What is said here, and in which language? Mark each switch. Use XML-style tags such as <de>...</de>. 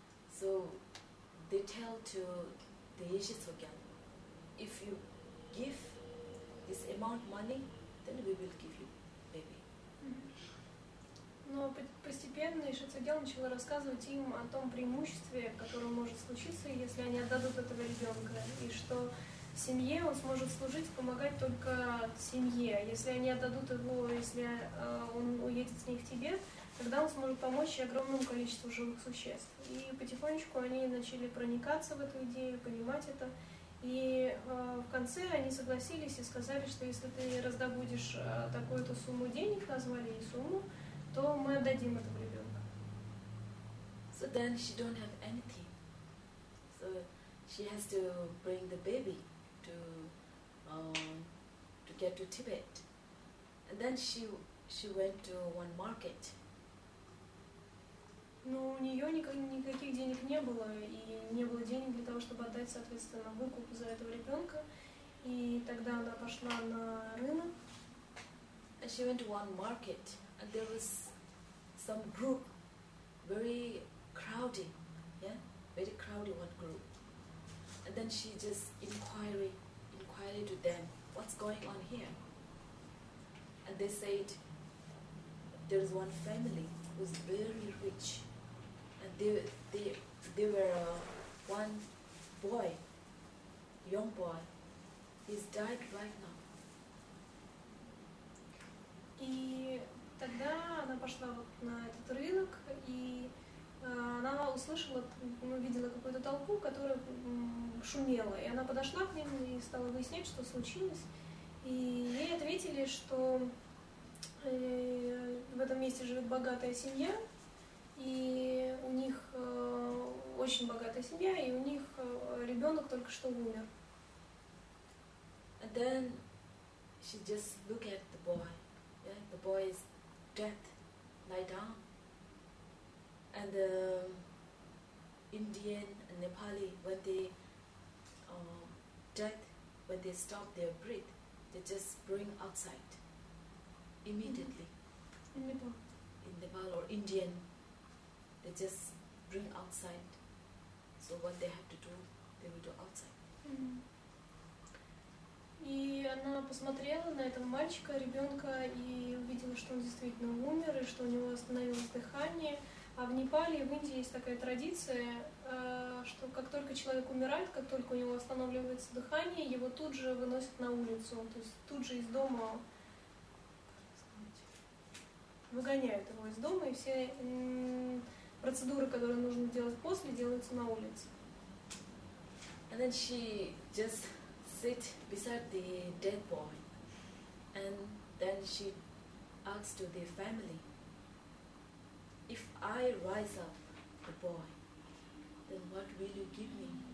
<en>So they tell to the Yashasvaka, if you give this amount money, then we will give you baby.</en> <ru>Но постепенно Ишицугел начала рассказывать им о том преимуществе, которое может случиться, если они отдадут этого ребенка, и что семье он сможет служить, помогать только семье. Если они отдадут его, если он уедет с ней в Тибет, тогда он сможет помочь огромному количеству живых существ. И потихонечку они начали проникаться в эту идею, понимать это. И в конце они согласились и сказали, что если ты раздобудешь такую-то сумму денег, назвали ей сумму, то мы отдадим этого ребенка.</ru> <en>So then she don't have anything. So she has to bring the baby to get to Tibet. And then she went to one market.</en> <ru>Но у нее никаких денег не было, и не было денег для того, чтобы отдать, соответственно, выкуп за этого ребенка. И тогда она пошла на рынок.</ru> <en>And she went to one market, and there was some group, very crowded, yeah, very crowded one group. And then she just inquired to them, what's going on here? And they said, there is one family who's very rich. And they were one boy, young boy, he's died right now.</en> <ru>И тогда она пошла вот на этот рынок, и она услышала, увидела какую-то толпу, которая шумела, и она подошла к ним и стала выяснять, что случилось. И ей ответили, что в этом месте живет богатая семья, и у них очень богатая семья, и у них ребенок только что умер.</ru> <en>And then she just look at the boy. Yeah, the boy is dead, lie down. And the Indian and Nepali, when they dead, when they stop their breath, they just bring outside immediately. Mm-hmm. In Nepal. In Nepal or Indian, they just bring outside. So what they have to do, they will do outside. Mm-hmm.</en> <ru>И она посмотрела на этого мальчика, ребенка, и увидела, что он действительно умер, и что у него остановилось дыхание. А в Непале, в Индии есть такая традиция, что как только человек умирает, как только у него останавливается дыхание, его тут же выносят на улицу, то есть тут же из дома выгоняют его из дома, и все процедуры, которые нужно делать после, делаются на улице.</ru> <en>And then she just sit beside the dead boy, and then she asks to the family, if I rise up the boy, then what will you give me?</en>